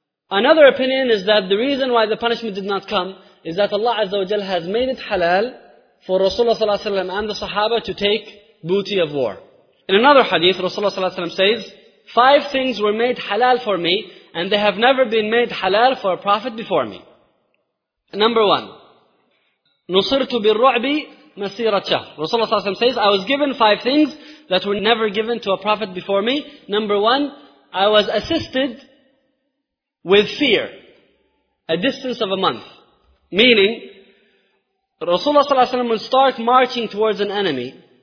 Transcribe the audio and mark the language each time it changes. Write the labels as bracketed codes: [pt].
[en] Another opinion is that the reason why the punishment did not come is that Allah Azza wa Jal has made it halal for Rasulullah Sallallahu Alaihi Wasallam and the Sahaba to take booty of war. In another hadith, Rasulullah Sallallahu Alaihi Wasallam says, 5 things were made halal for me, and they have never been made halal for a prophet before me. Number 1, [ar] نُصِرْتُ بِالرُّعْبِ مَسِيرَةً شَهْرٍ. [en] Rasulullah Sallallahu Alaihi Wasallam says, I was given 5 things that were never given to a prophet before me. Number 1, I was assisted with fear, a distance of a month. Meaning, Rasulullah Sallallahu Alaihi Wasallam would start marching towards an enemy.